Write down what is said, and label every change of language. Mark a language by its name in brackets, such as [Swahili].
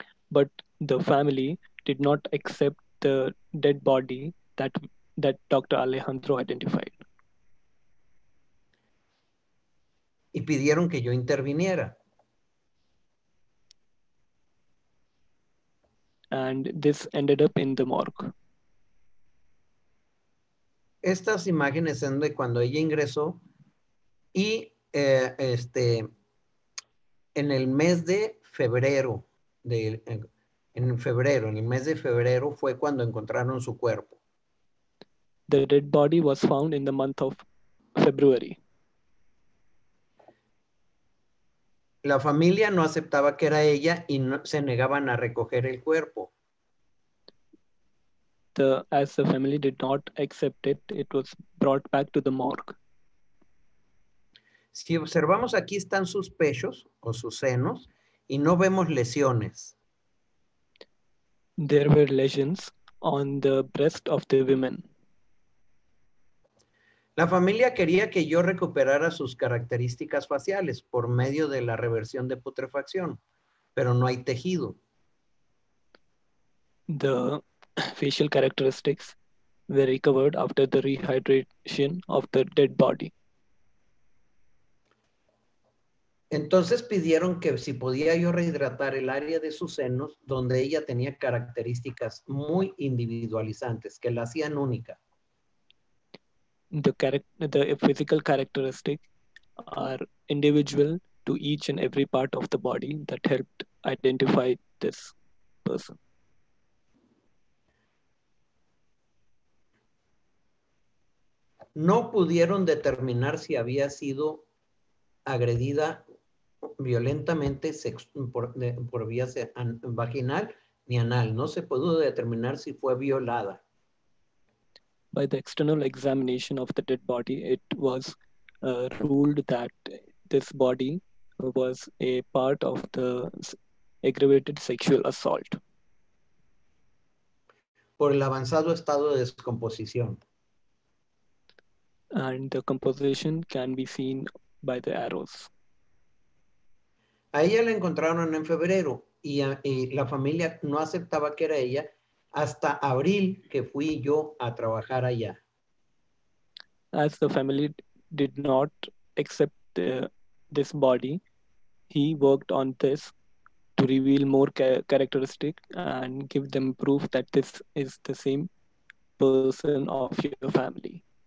[English] But the family did not accept the dead body that Dr. Alejandro identified. [Spanish] Y pidieron que yo interviniera. [English] and this ended up in the morgue. [Spanish] Estas imágenes son de cuando ella ingresó y en el mes de febrero, en el mes de febrero fue cuando encontraron su cuerpo. [English] The dead body was found in the month of February. [Spanish] La familia no aceptaba que era ella y no, se negaban a recoger el cuerpo. [English] As the family did not accept it, it was brought back to the morgue. [Spanish] Si observamos aquí están sus pechos o sus senos y no vemos lesiones. [English] There were lesions on the breast of the women. [Spanish] La familia quería que yo recuperara sus características faciales por medio de la reversión de putrefacción, pero no hay tejido. [English] The facial characteristics were recovered after the rehydration of the dead body. [Spanish] Entonces pidieron que si podía yo rehidratar el área de sus senos donde ella tenía características muy individualizantes que la hacían única. [English] The physical characteristics are individual to each and every part of the body that helped identify this person. [Spanish] No pudieron determinar si había sido agredida violentamente por vía vaginal ni anal. No se pudo determinar si fue violada. [English] By the external examination of the dead body, it was ruled that this body was a part of the aggravated sexual assault. [Spanish] Por el avanzado estado de descomposición. [English] And the composition can be seen by the arrows. [Spanish] A ella la encontraron en febrero y la familia no aceptaba que era ella. Hasta abril que fui yo a trabajar allá. [English] As the family did not accept this body, he worked on this to reveal more characteristics and give them proof that this is the same person of your family.